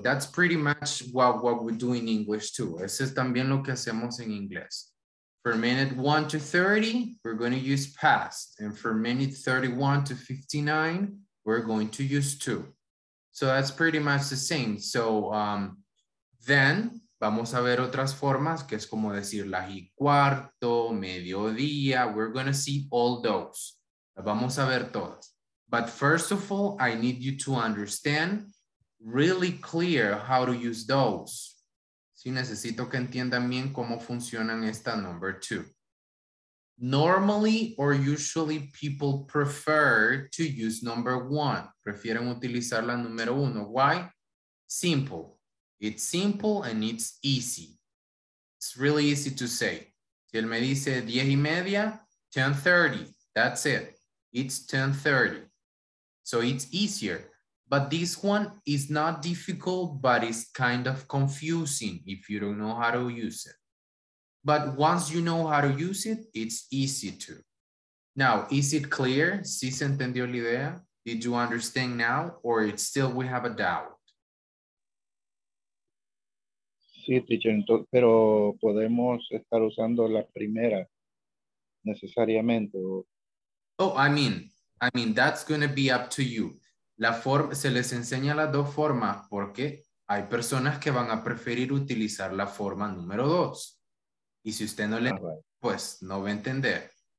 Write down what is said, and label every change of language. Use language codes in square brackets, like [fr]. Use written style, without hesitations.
[en] That's pretty much what we do in English too. [es] Eso es también lo que hacemos en inglés. [en] For minute 1 to 30, we're going to use past. And for minute 31 to 59, we're going to use two. So that's pretty much the same. So then [es] vamos a ver otras formas, que es como decir las y cuarto, mediodía. [en] We're going to see all those. [es] Vamos a ver todas. [en] But first of all, I need you to understand really clear how to use those. [es] Sí, necesito que entiendan bien cómo funcionan esta [en] number two. Normally or usually people prefer to use number one. [es] Prefieren utilizar la número uno. [en] Why? Simple. It's simple and it's easy. It's really easy to say. [es] Si él me dice 10 y media, [en] 10:30, that's it. It's 10:30. So it's easier. But this one is not difficult, but it's kind of confusing if you don't know how to use it. But once you know how to use it, it's easy to. Now, is it clear? [es] ¿Sí se entendió la idea? [en] Did you understand now? Or it's still we have a doubt? [es] Sí, teacher, pero podemos estar usando la primera necesariamente. [en] Oh, I mean, that's going to be up to you. [es] La forma, se les enseña las dos formas porque hay personas que van a preferir utilizar la forma número dos. Y si usted no le, pues no va a entender.